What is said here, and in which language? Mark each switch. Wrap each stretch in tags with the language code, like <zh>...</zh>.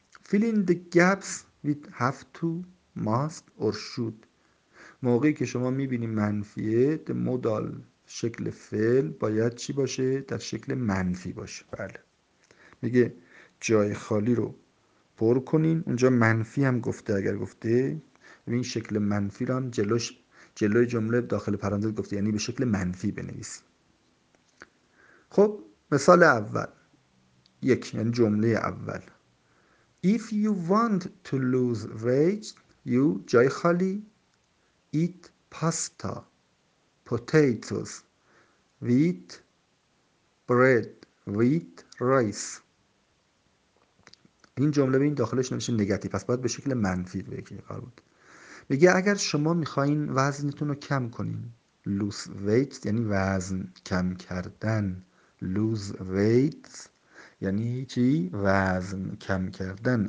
<en>Fill in the gaps with have to, must or should.</en> <fa>موقعی که شما میبینیم منفیه، the modal شکل فعل باید چی باشه؟ در شکل منفی باشه. بله. میگه جای خالی رو پر کنین. اونجا منفی هم گفته، اگر گفته این شکل منفی رو هم جلوی جمله داخل پرانتز گفته، یعنی به شکل منفی بنویسی. خب مثال اول، یک یعنی جمله اول.</fa> <en>If you want to lose weight, you</en> <fa>جای خالی</fa> <en>eat pasta, potatoes, wheat, bread, wheat, rice.</en> <fa>این جمله به این داخلش نمیشه نگاتیو، پس باید به شکل منفی بگیری قرار بود. میگه اگر شما میخواین وزنتون رو کم کنین، lose weight یعنی وزن کم کردن، lose weight یعنی چی؟ وزن کم کردن.</fa>